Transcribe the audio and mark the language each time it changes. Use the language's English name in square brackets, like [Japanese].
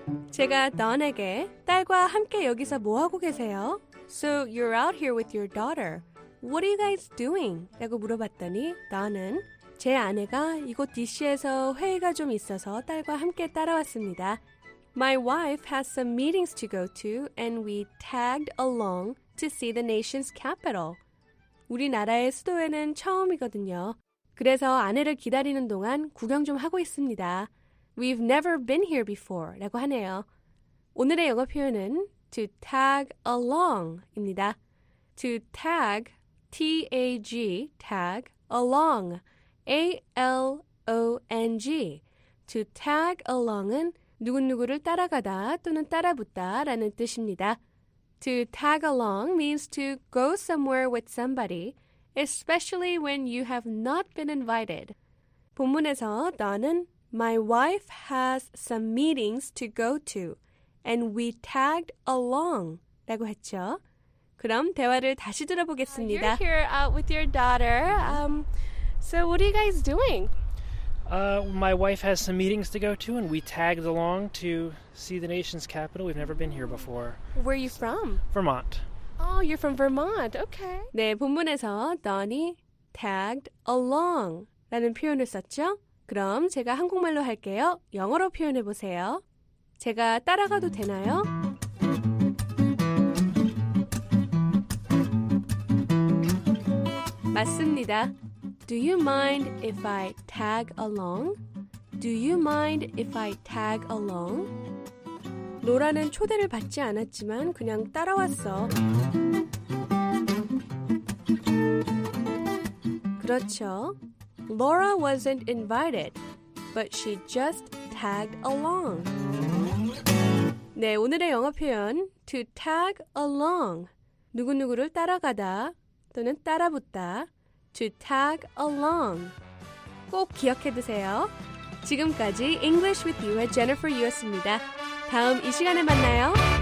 [Korean] 제가 넌에게 딸과 함께 여기서 뭐 하고 계세요? [English] So you're out here with your daughter. What are you guys doing? [Korean] 라고 물어봤더니 넌은 제 아내가 이곳 DC에서 회의가 좀 있어서 딸과 함께 따라왔습니다. [English] My wife has some meetings to go to and we tagged along to see the nation's capital. [Korean] 우리나라의 수도에는 처음이거든요. 그래서 아내를 기다리는 동안 구경 좀 하고 있습니다. [English] We've never been here before [Korean] 라고 하네요. 오늘의 영어 표현은 to tag along입니다. [English] To tag T-A-G, tag along, A-L-O-N-G. [Korean] To tag along은 누군누구를 따라가다 또는 따라붙다 라는 뜻입니다. [English] To tag along means to go somewhere with somebody, especially when you have not been invited. [Korean] 본문에서 너는 [English] My wife has some meetings to go to, and we tagged along [Korean] 라고 했죠. 그럼 대화를 다시 들어보겠습니다. [English] You're here out with your daughter. So what are you guys doing? My wife has some meetings to go to, and we tagged along to see the nation's capital. We've never been here before. Where are you from? Vermont. Oh, you're from Vermont. Okay. [Korean] 네, 본문에서 [English] Donny tagged along [Korean] 라는 표현을 썼죠? 그럼 제가 한국말로 할게요. 영어로 표현해 보세요. 제가 따라가도 되나요? [English] Do you mind if I tag along? Do you mind if I tag along? [Korean] 로라는 초대를 받지 않았지만 그냥 따라왔어. 그렇죠. [English] Laura wasn't invited, but she just tagged along. [Korean] 네, 오늘의 영어 표현 to tag along. 누구누구를 따라가다 또는 따라붙다. To tag along. 꼭 기억해 두세요. 지금까지 English with You의 Jennifer Yu였습니다. 다음 이 시간에 만나요.